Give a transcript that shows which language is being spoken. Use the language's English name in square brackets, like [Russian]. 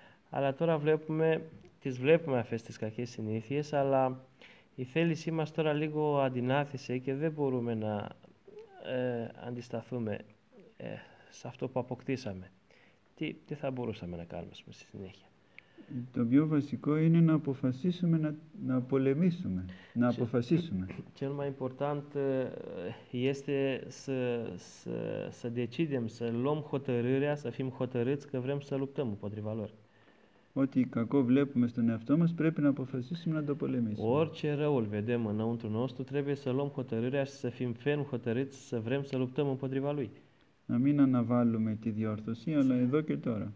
[Greek] Αλλά τώρα βλέπουμε, τις βλέπουμε αυτές τις κακές συνήθειες, αλλά η θέλησή μας τώρα λίγο αντινάθησε και δεν μπορούμε να αντισταθούμε σε αυτό που αποκτήσαμε. Τι θα μπορούσαμε να κάνουμε, ας πούμε, στη συνέχεια? Το πιο βασικό είναι να αποφασίσουμε να πολεμήσουμε, να αποφασίσουμε. [Romanian] Cel mai important este să decidem, să luăm hotărârea, să fim hotărâți că vrem să luptăm împotriva lor. [Greek] Ό,τι κακό βλέπουμε στον εαυτό μας, πρέπει να αποφασίσουμε να το πολεμήσουμε. [Romanian] Orice răul vedem înăuntru nostru, trebuie să luăm hotărârea și să fim ferm hotărâți să vrem să luptăm împotriva lui. [Greek] Να μην αναβάλουμε τη διόρθωση, αλλά εδώ και τώρα.